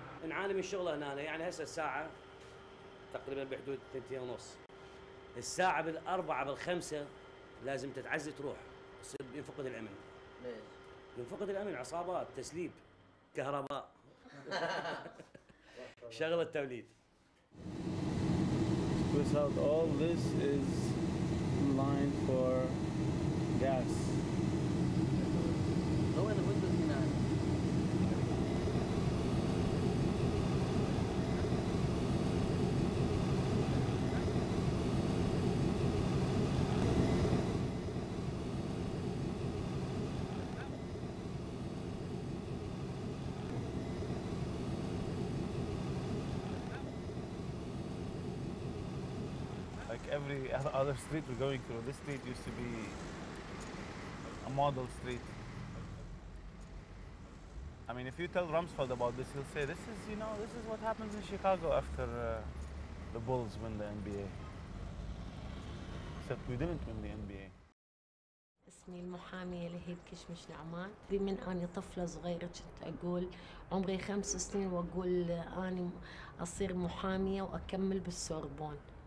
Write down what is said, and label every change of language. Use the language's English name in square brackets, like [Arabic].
[Arabic] نعاني من شغله هنا يعني هسه الساعه تقريبا بحدود 2:30، الساعه بالاربعه بالخمسه لازم تتعزي تروح، يصير ينفقد الامن. ليش؟ ينفقد الامن، عصابات، تسليب، كهرباء، شغل التوليد. [English] Without all this is in line for gas. Like every other street we're going through, this street used to be a model street. I mean, if you tell Rumsfeld about this, he'll say, this is, you know, this is what happens in Chicago after the Bulls win the NBA. Except we didn't win the NBA. [Arabic] اسمي المحامية لهيب كشمش نعمان. بمن أني طفلة صغيرة كنت أقول عمري 5 سنين وأقول أني أصير محامية وأكمل بالسوربون.